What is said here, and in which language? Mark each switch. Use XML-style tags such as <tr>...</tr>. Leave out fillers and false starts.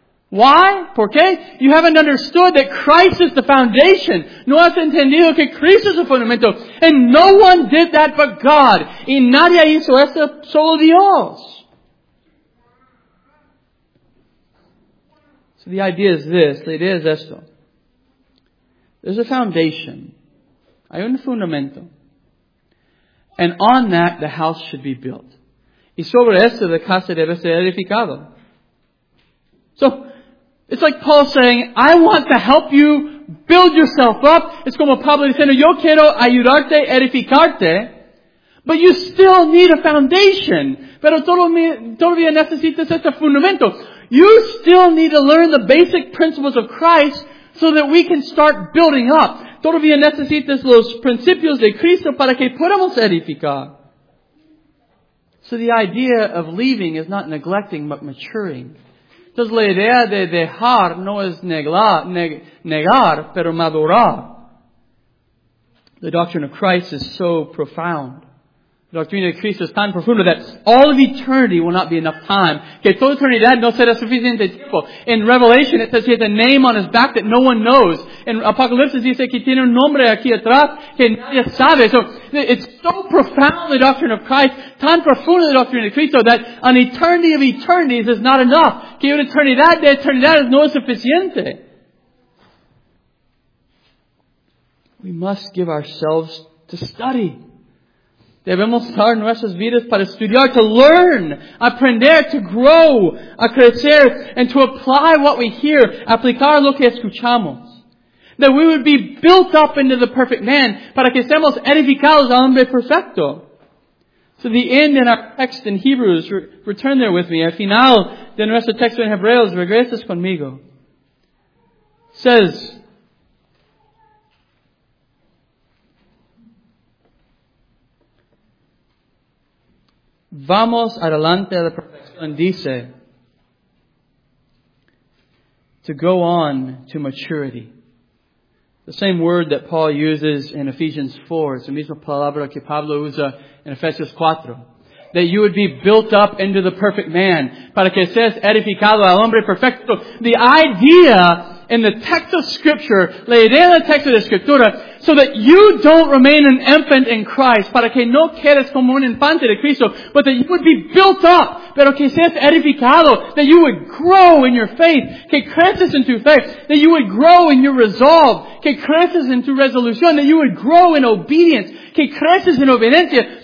<en>Why?</en> <es>¿Por qué?</es> <en>You haven't understood that Christ is the foundation.</en> <es>No has entendido que Cristo es el fundamento.</es> <en>And no one did that but God.</en> <es>Y nadie hizo esto, solo Dios.</es> <en>So the idea is this.</en> <es>La idea es esto.</es> <en>There's a foundation.</en> <es>Hay un fundamento.</es> <en>And on that, the house should be built.</en> <es>Y sobre esto, la casa debe ser edificado.</es> <en>So, it's like Paul saying, I want to help you build yourself up. It's</en> <es>como Pablo diciendo, yo quiero ayudarte, edificarte.</es> <en>But you still need a foundation.</en> <es>Pero todavía necesitas este fundamento.</es> <en>You still need to learn the basic principles of Christ so that we can start building up.</en> <es>Todavía necesitas los principios de Cristo para que podamos edificar.</es> <en>So the idea of leaving is not neglecting, but maturing.</en> <es>Entonces la idea de dejar no es negar, pero madurar.</es> <en>The doctrine of Christ is so profound.</en> <es>doctrina de Cristo es tan profunda</es> <en>that all of eternity will not be enough time.</en> <es>Que toda eternidad no será suficiente tiempo.</es> <en>In Revelation, it says he has a name on his back that no one knows.</en> <es>In Apocalipsis, dice que tiene un nombre aquí atrás que nadie sabe.</es> <en>So, it's so profound, the doctrine of Christ,</en> <es>tan profunda la doctrina de Cristo,</es> <en>that an eternity of eternities is not enough.</en> <es>Que una eternidad de eternidad no es suficiente.</es> <en>We must give ourselves to study.</en> <es>Debemos dar nuestras vidas para estudiar,</es> <en>to learn,</en> <es>aprender,</es> <en>to grow,</en> <es>a crecer,</es> <en>and to apply what we hear,</en> <es>aplicar lo que escuchamos.</es> <en>That we would be built up into the perfect man,</en> <es>para que seamos edificados al hombre perfecto.</es> <en>So the end in our text in Hebrews, return there with me,</en> <es>al final de nuestro texto en Hebreos, regreses conmigo,</es> <en>says,</en> <es>vamos adelante a la perfección, dice,</es> <en>to go on to maturity. The same word that Paul uses in Ephesians 4.</en> <es>Es la misma palabra que Pablo usa en Efesios 4.</es> <en>That you would be built up into the perfect man.</en> <es>Para que seas edificado al hombre perfecto.</es> <en>The idea in the text of Scripture,</en> <es>la idea del texto de Escritura,</es> <en>so that you don't remain an infant in Christ,</en> <es>para que no quedes como un infante de Cristo,</es> <en>but that you would be built up,</en> <es>pero que seas edificado,</es> <en>that you would grow in your faith,</en> <es>que creces en tu fe,</es> <en>that you would grow in your resolve,</en> <es>que creces en tu resolución,</es> <en>that you would grow in obedience,</en> <es>que creces en obediencia.</es>